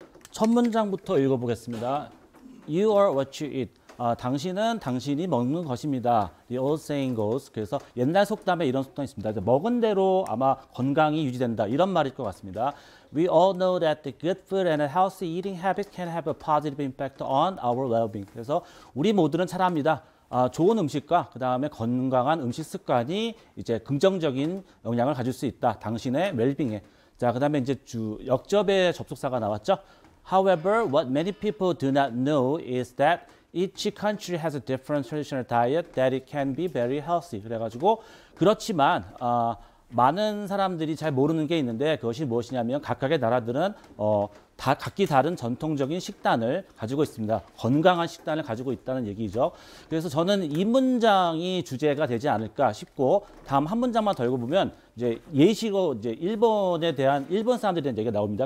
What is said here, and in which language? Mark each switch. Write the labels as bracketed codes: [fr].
[ko] 첫 문장부터 읽어보겠습니다. [en] You are what you eat. [ko] 당신은 당신이 먹는 것입니다. [en] The old saying goes. [ko] 그래서 옛날 속담에 이런 속담이 있습니다. 먹은 대로 아마 건강이 유지된다. 이런 말일 것 같습니다. [en] We all know that the good food and a healthy eating habits can have a positive impact on our well-being. [ko] 그래서 우리 모두는 잘 압니다. 좋은 음식과 그 다음에 건강한 음식 습관이 이제 긍정적인 영향을 가질 수 있다. 당신의 well-being에. 자, 그 다음에 이제 역접의 접속사가 나왔죠. [en] However, what many people do not know is that each country has a different traditional diet that it can be very healthy. [ko] 그래가지고 그렇지만 많은 사람들이 잘 모르는 게 있는데 그것이 무엇이냐면 각각의 나라들은 다 각기 다른 전통적인 식단을 가지고 있습니다. 건강한 식단을 가지고 있다는 얘기죠. 그래서 저는 이 문장이 주제가 되지 않을까 싶고 다음 한 문장만 더 읽어보면 이제 예시로 이제 일본에 대한 일본 사람들에 대한 얘기가 나옵니다.